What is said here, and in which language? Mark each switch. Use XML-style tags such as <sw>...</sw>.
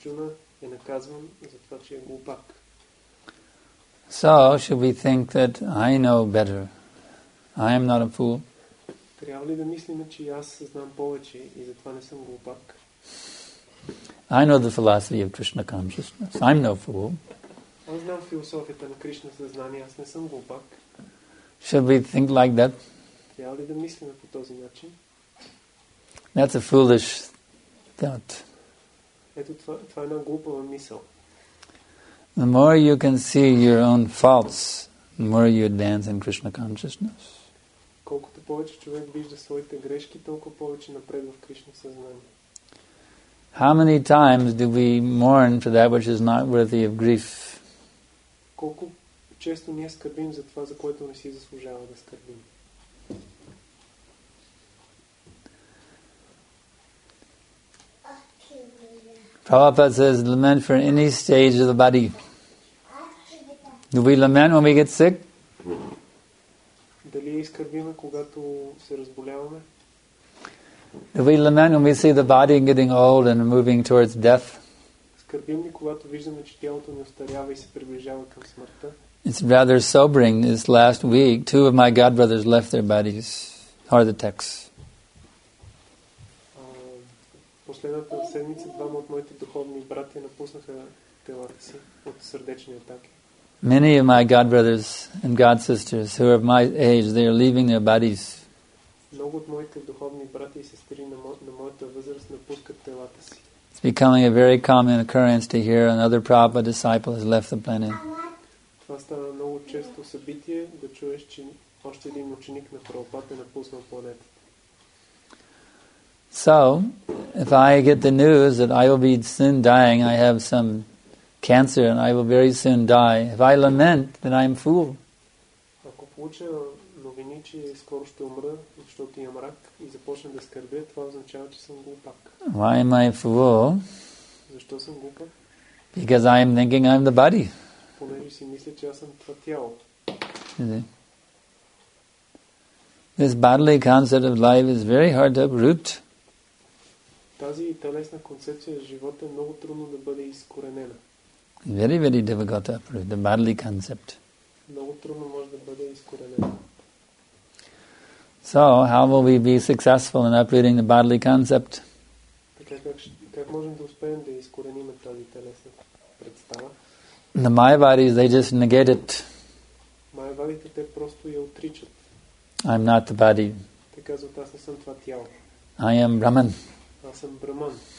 <bg>Арджуна е наказван за това, че е глупак.</bg> <en>So should we think that I know better? I am not a fool.</en> <bg>Трябва ли да мислим, че аз знам повече и затова не съм глупак?</bg> <en>I know the philosophy of Krishna consciousness. I'm no fool.</en> <bg>Аз знам философията на Кришна съзнание, аз не съм глупак.</bg> <en>Should we think like that?</en> <bg>Трябва ли да мислим по този начин?</bg> <en>That's a foolish thought.</en> <bg>Ето това е една глупава мисъл.</bg> <en>The more you can see your own faults, the more you advance in Krishna consciousness.</en> <bg>Колкото повече човек вижда своите грешки, толкова повече напредва в Кришна съзнание.</bg> <en>How many times do we mourn for that which is not worthy of grief?</en> <bg>Колко често ние скърбим за това, за което не си заслужава да скърбим?</bg> <en>Prabhupada says, lament for any stage of the body. Do we lament when we get sick?</en> <bg>Дали скърбим, когато се разболяваме?</bg> <en>Do we lament when we see the body getting old and moving towards death?</en> <bg>Скърбим ли, когато виждаме, че тялото ни остарява и се приближава към смъртта?</bg> <en>It's rather sobering. This last week, two of my godbrothers left their bodies. Heart attacks.</en> <bg>Последната седмица двама от моите духовни братя напуснаха телата си от сърдечни атаки.</bg> <en>Many of my godbrothers and godsisters who are of my age, they are leaving their bodies.</en> <bg>Много от моите духовни брати и сестри на моята възраст напускат телата си.</bg> <en>It's becoming a very common occurrence to hear another Prabhupada disciple has left the planet.</en> <bg>Това става много често събитие да чуеш, че още един ученик на Прабхупада е напуснал планетата.</bg> <en>So, if I get the news that I will be soon dying, I have some cancer and I will very soon die, if I lament, then I am a fool.</en> <bg>Ако получа новини, че скоро ще умра, защото имам рак и започна да скърбя, това означава, че съм глупак.</bg> <en>Why am I a fool?</en> <bg>Защо съм глупак?</bg> <en>Because I am thinking I am the body.</en> <bg>Понеже си мисля, че аз съм това тяло.</bg> <en>This bodily concept of life is very hard to uproot.</en> <bg>Тази телесна концепция за живота е много трудно да бъде изкоренена.</bg> <en>Very, very difficult to uproot, the bodily concept.</en> <bg>Много трудно може да бъде изкоренена.</bg> <en>So, how will we be successful in uprooting the bodily concept?</en> <bg>Така, как можем да успеем да изкореним тази телесна представа?</bg> <en>The Mayavadis, they just negate it.</en> <bg>Mayavadите, те просто я отричат.</bg> <en>I'm not the body.</en> <bg>Те казват, аз не съм това тяло.</bg> <en>I am Brahman.</en> <bg>Аз съм Браман.</bg>